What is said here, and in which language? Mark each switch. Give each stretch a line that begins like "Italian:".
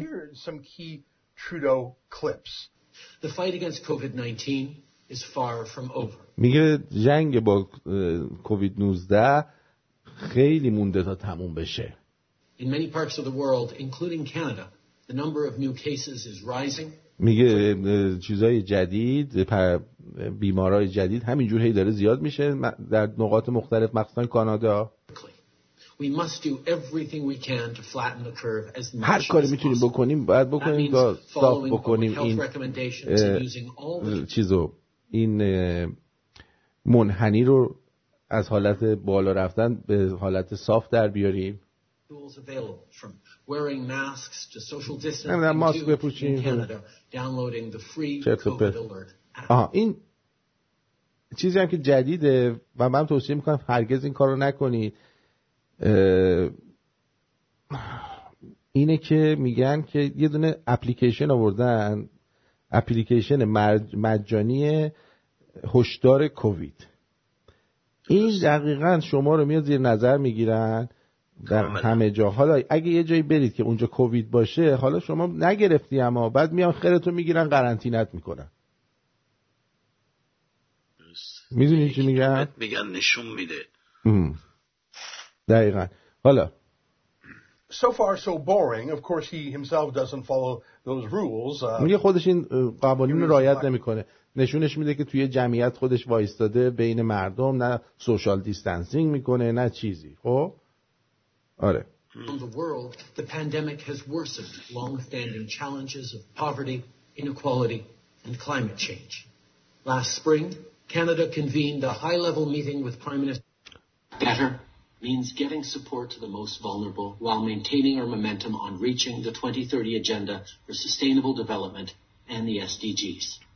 English: Here are some key Trudeau clips. The fight against COVID-19 is far from over.
Persian: میگه جنگ با کووید 19 خیلی مونده تا تموم بشه.
English: In many parts of the world, including Canada, the number of new cases is rising.
Persian: میگه چیزای جدید، بیمارای جدید همینجور هی داره زیاد میشه در نقاط مختلف، مخصوصا کانادا.
English: We must do everything we can to flatten the curve as much as possible.
Persian: هر کاری میتونیم بکنیم باید بکنیم تا ساخت بکنیم این چیزو، این منحنی رو از حالت بالا رفتن به حالت صاف در بیاریم.
English: Wearing masks to social distancing.
Persian: ماسک بپوشیم.
English: Downloading the free COVID alert.
Persian: آها، این چیزی هم که جدیده و من توصیه میکنم هرگز این کارو نکنید. اینه که میگن که یه دونه اپلیکیشن آوردن، اپلیکیشن مجانی هشدار کووید. این دقیقا شما رو میاد زیر نظر میگیرن در همه جا. حالا اگه یه جایی برید که اونجا کووید باشه، حالا شما نگرفتی اما بعد میان خیرتو میگیرن، قرنطینت میکنن. میدونی چی میگن؟ میگن نشون میده. دقیقاً. حالا
English: so far so boring. Of course he himself doesn't follow those rules.
Persian: میگه خودش این قوانین رعایت نمی‌کنه. نشونش میده که توی جمعیت خودش وایستاده بین مردم، نه سوشال دیستنسینگ میکنه نه چیزی. خب؟ آره.
English: The world, the pandemic has worsened long-standing challenges of poverty, inequality and climate change. Last spring, Canada convened a high-level meeting with Prime Minister Better means getting support to the most vulnerable while maintaining our momentum on reaching the 2030 agenda for sustainable development and the SDGs.